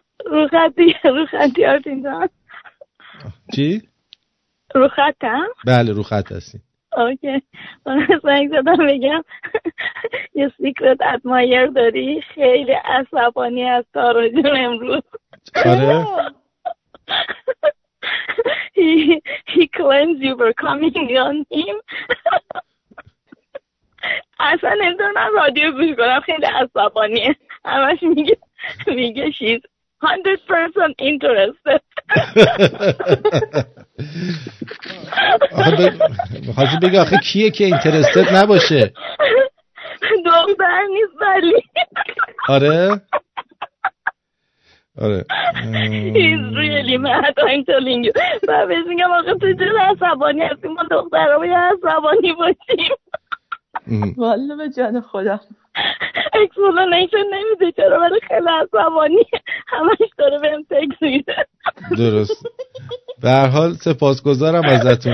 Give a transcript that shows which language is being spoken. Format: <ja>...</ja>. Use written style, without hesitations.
<fa>رو خطی آرتین جان. چی؟ رو خطم؟ بله رو خط هستی. اوکی. من زنگ زدم بگم یه سیکرت ادمایر داری خیلی عصبانی از تارا جان امروز. آره؟</fa> <en>he claims you were coming on him.</en> <fa>اصلا نمیدونم رادیو گوش کنم خیلی عصبانیه. همش میگه</fa> <en>she's 100% interested.</en> <fa>میخواستی بگه آخه کیه که interested نباشه؟ دختر نیست ولی. آره؟ آره.</fa> <en>He's really mad, I'm telling you.</en> <fa>بعدش میگم آخه تو چرا عصبانی هستی؟ ما دختر رو یه عصبانی باشیم. والا به جان خدا اکسپلانیشن نمیده چرا ولی خیلی عصبانی همش داره به هم تکس میده. درست. به هر حال سپاسگزارم ازتون.</fa>